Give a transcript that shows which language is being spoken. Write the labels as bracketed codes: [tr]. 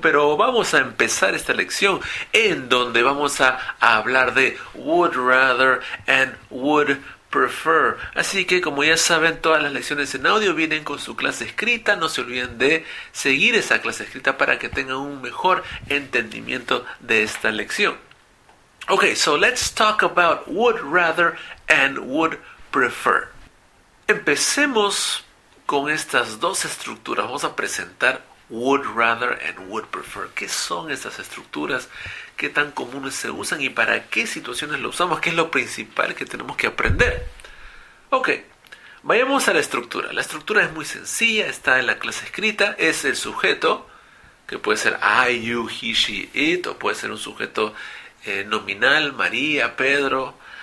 [es] Pero vamos a empezar esta lección en donde vamos a hablar de would rather and would prefer. Así que como ya saben, todas las lecciones en audio vienen con su clase escrita. No se olviden de seguir esa clase escrita para que tengan un mejor entendimiento de esta lección. [en] Ok, so let's talk about would rather and would prefer. [es] Empecemos con estas dos estructuras. Vamos a presentar would rather and would prefer. ¿Qué son estas estructuras? ¿Qué tan comunes se usan y para qué situaciones lo usamos? ¿Qué es lo principal que tenemos que aprender? Ok, vayamos a la estructura. La estructura es muy sencilla, está en la clase escrita. Es el sujeto, que puede ser I, you, he, she, it, o puede ser un sujeto nominal, María, Pedro.